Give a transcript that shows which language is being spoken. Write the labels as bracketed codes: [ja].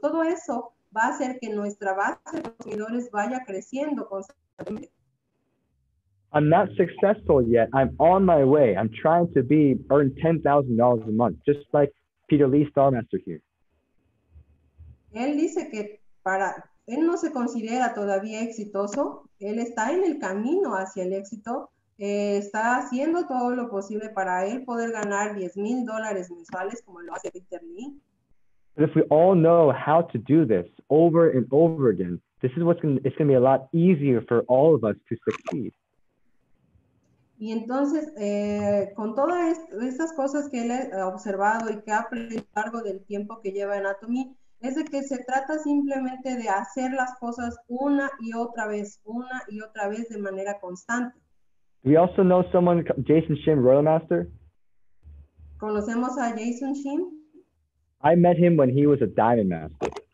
[es] Todo eso va a hacer que nuestra base de consumidores vaya creciendo constantemente. [en] I'm not successful yet. I'm on my way. I'm trying to be earn $10,000 a month, just like Peter Lee Starmaster here. [es] Él dice que para él no se considera todavía exitoso. Él está en el camino hacia el éxito. Está haciendo todo lo posible para él poder ganar $10,000 mensuales como lo hace Peter Lee. [en] But if we all know how to do this over and over again, this is what's gonna, it's going to be a lot easier for all of us to succeed. [es] Y entonces, con todas estas cosas que él ha observado y que ha aprendido a lo largo del tiempo que lleva Anatomy, es de que se trata simplemente de hacer las cosas una y otra vez de manera constante. [en] We also know someone, Jason Shim, Royal Master. [es] ¿Conocemos a Jason Shim? [en] I met him when he was a Diamond Master.